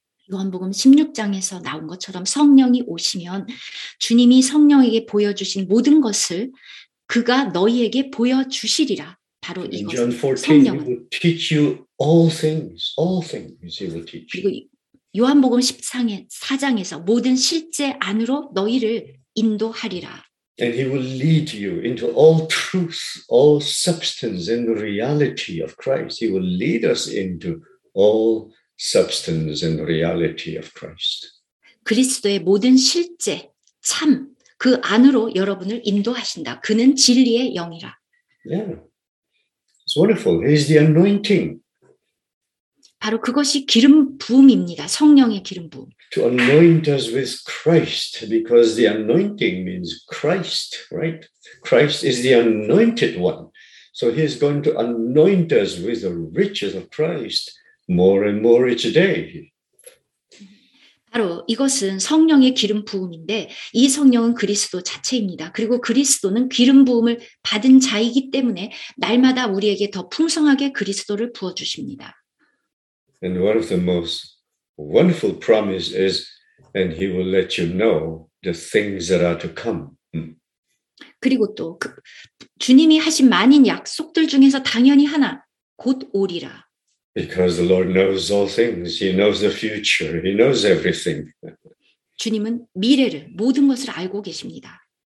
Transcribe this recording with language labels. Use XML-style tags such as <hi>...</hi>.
<ko>요한복음 16장에서 나온 것처럼 성령이 오시면 주님이 성령에게 보여주신 모든 것을 그가 너희에게 보여주시리라. 바로 이것.</ko> <en>John 14, he will teach you all things. All things he will teach you.</en> <ko>요한복음 14장에서 모든 실제 안으로 너희를 인도하리라.</ko> <en>And he will lead you into all truth, all substance and reality of Christ. He will lead us into all substance and reality of Christ.</en> <ko>그리스도의 모든 실제, 참, 그 안으로 여러분을 인도하신다. 그는 진리의 영이라.</ko> <en>Yeah. It's wonderful. He is the anointing.</en> <ko>바로 그것이 기름 부음입니다. 성령의 기름 부음.</ko> <en>To anoint us with Christ, because the anointing means Christ, right? Christ is the anointed one. So he is going to anoint us with the riches of Christ more and more each day.</en> <ko>바로 이것은 성령의 기름 부음인데 이 성령은 그리스도 자체입니다. 그리고 그리스도는 기름 부음을 받은 자이기 때문에 날마다 우리에게 더 풍성하게 그리스도를 부어주십니다.</ko> <en>And one of the most wonderful promises is, and he will let you know the things that are to come.</en> <ko>그리고 또 그 주님이 하신 많은 약속들 중에서 당연히 하나, 곧 오리라.</ko> <en>Because the Lord knows all things. He knows the future. He knows everything.</en> <ko>주님은 미래를, 모든 것을 알고 계십니다.</ko>